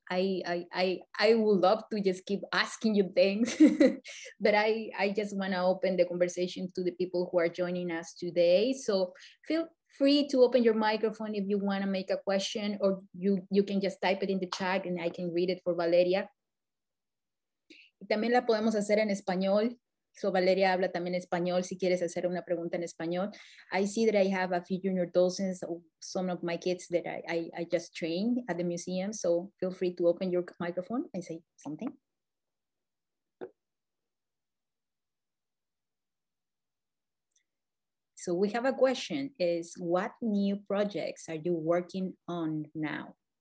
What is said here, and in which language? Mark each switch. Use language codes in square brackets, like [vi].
[en] I would love to just keep asking you things, but I just want to open the conversation to the people who are joining us today. So feel free to open your microphone if you want to make a question, or you can just type it in the chat and I can read it for Valeria. [es] También la podemos hacer en español. So Valeria habla también español si quieres hacer una pregunta en español. [en] I see that I have a few junior docents, some of my kids that I just trained at the museum. So feel free to open your microphone and say something. So we have a question is, what new projects are you working on now?